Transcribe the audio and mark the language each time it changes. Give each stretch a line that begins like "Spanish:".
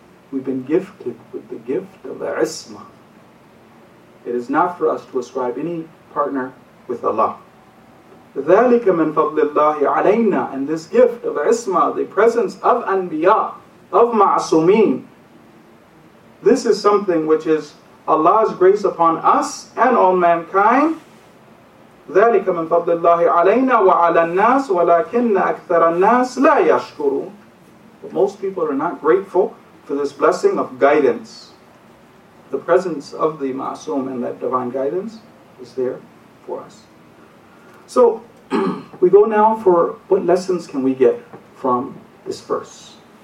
English: We've been gifted with the gift of the ismah. It is not for us to ascribe any partner with Allah.
Arabic: ذَلِكَ مِنْ فَضْلِ اللَّهِ عَلَيْنَا.
English: And this gift of isma, the presence of anbiya, of ma'asumeen, this is something which is Allah's grace upon us and all mankind.
Arabic: ذلك من فضل الله علينا وعلى الناس ولكن أكثر الناس لا يشكرون.
English: But most people are not grateful for this blessing of guidance. The presence of the ma'asum and that divine guidance is there for us. So, we go now for what lessons can we get from this verse?